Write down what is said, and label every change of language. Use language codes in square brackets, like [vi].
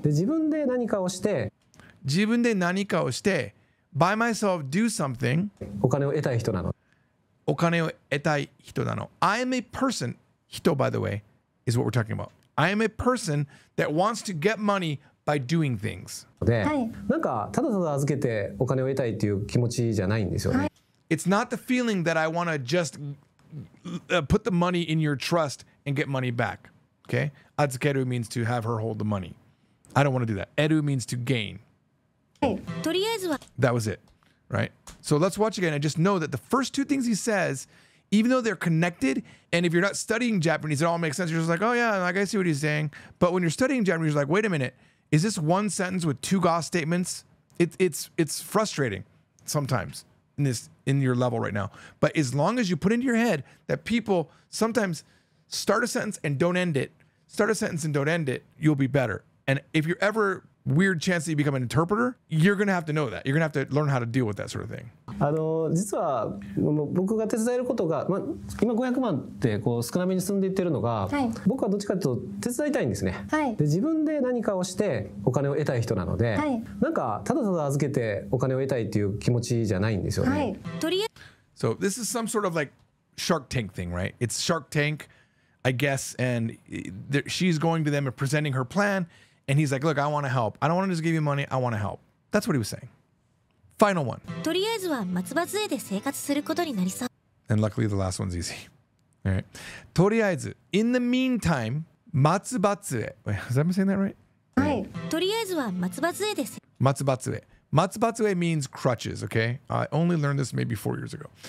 [ja] で、自分で何かをして、自分で何かをして、 [en] by myself, do something. [ja] お金を得たい人なの。お金を得たい人なの。 [en] I am a person, 人, by the way, is what we're talking about. I am a person that wants to get money. By doing things. [ja] で、なんかただただ預けてお金を得たいっていう気持ちじゃないんですよね。 [en] It's not the feeling that I want to just put the money in your trust and get money back. Okay? 預ける means to have her hold the money. I don't want to do that. Eru means to gain. [ja] とりあえずは。 [en] That was it. Right? So let's watch again. I just know that the first two things he says, even though they're connected, and if you're not studying Japanese, it all makes sense. You're just like, oh yeah, like I see what he's saying. But when you're studying Japanese, you're like, wait a minute. Is this one sentence with two Gauss statements? It's frustrating sometimes in your level right now. But as long as you put into your head that people sometimes start a sentence and don't end it, start a sentence and don't end it, you'll be better. And if you're ever weird chance that you become an interpreter, you're going to have to know that. You're going to have to learn how to deal with that sort of thing. [ja] 実は僕が手伝えることが、ま、今500万ってこう少なめに済んでいってるのが、はい、僕はどっちかというと手伝いたいんですね、はい、で自分で何かをしてお金を得たい人なので、はい、なんかただただ預けてお金を得たいっていう気持ちじゃないんですよね、はい、とりあえず [en] So this is some sort of like Shark Tank thing, right? It's Shark Tank, I guess, and she's going to them and presenting her plan and he's like, look, I want to help. I don't want to just give you money, I want to help. That's what he was saying. Final one. [ja] とりあえずは松葉杖で生活することになりそう。 [en] And luckily the last one's easy. All right. とりあえず、in the meantime, 松葉杖。Wait, is that me saying that right? [ja] はい。とりあえずは松葉杖です。 [en] 松葉杖。松葉杖 means crutches, okay? I only learned this maybe 4 years ago.